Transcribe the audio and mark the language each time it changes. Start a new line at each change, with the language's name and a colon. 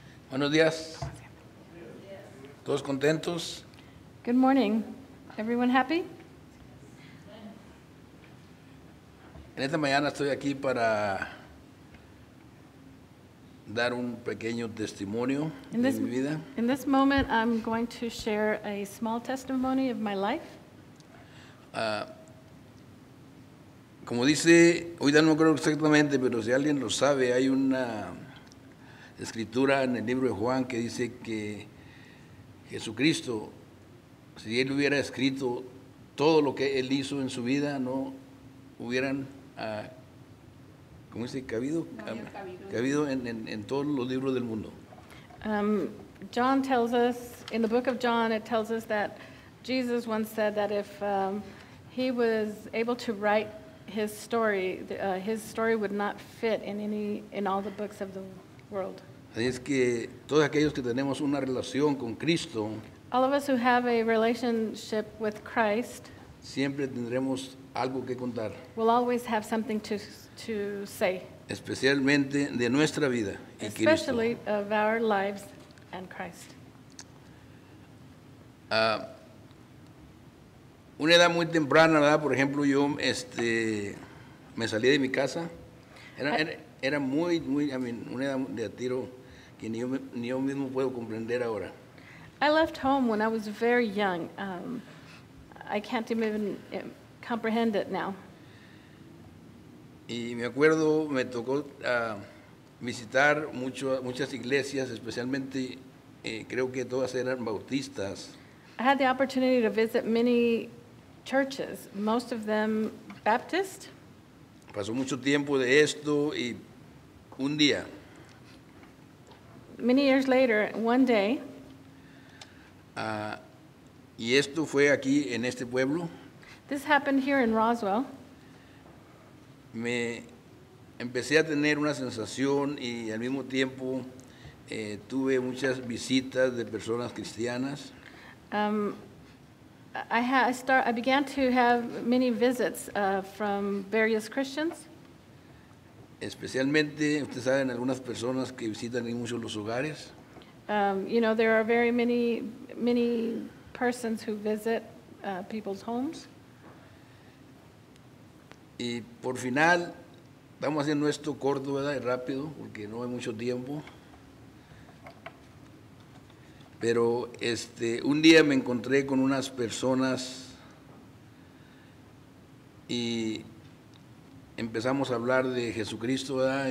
Spanish: Buenos días. ¿Todos contentos?
English: Good morning. Everyone happy?
Spanish: En esta mañana estoy aquí para dar un pequeño testimonio de mi vida.
English: In this moment, I'm going to share a small testimony of my life.
Spanish: Como dice, hoy no me acuerdo exactamente, pero si alguien lo sabe, hay una escritura en el libro de Juan que dice que Jesucristo, si él hubiera escrito todo lo que él hizo en su vida, no hubieran, ¿cómo dice? Cabido en todos los libros del mundo.
English: John tells us, in the book of John, it tells us that Jesus once said that if he was able to write his story would not fit in all the books of the world.
Spanish: Es que todos aquellos que tenemos una relación con Cristo,
English: all of us who have a relationship with Christ,
Spanish: siempre tendremos algo que contar.
English: We'll always have something to say.
Spanish: Especialmente de nuestra vida y Cristo.
English: Especially of our lives and Christ.
Spanish: Una edad muy temprana, ¿verdad? Por ejemplo, yo me salí de mi casa. Era muy, muy,
English: I mean,
Spanish: una edad de a tiro que ni yo mismo puedo comprender ahora.
English: I left home when I was very young. I can't even comprehend it now.
Spanish: Y me acuerdo, me tocó visitar muchas iglesias, especialmente creo que todas eran bautistas.
English: I had the opportunity to visit many churches, most of them Baptist.
Spanish: Pasó mucho tiempo de esto y un día,
English: many years later, one day,
Spanish: y esto fue aquí en este pueblo.
English: This happened here in Roswell.
Spanish: Me empecé a tener una sensación y al mismo tiempo tuve muchas visitas de personas cristianas.
English: I began to have many visits from various Christians.
Spanish: Especialmente, ustedes saben, algunas personas que visitan mucho los hogares.
English: You know, there are very many, many persons who visit people's homes.
Spanish: Y por final, vamos haciendo esto corto, ¿verdad? Y rápido, porque no hay mucho tiempo. Pero un día me encontré con unas personas y empezamos a hablar de Jesucristo, ¿verdad?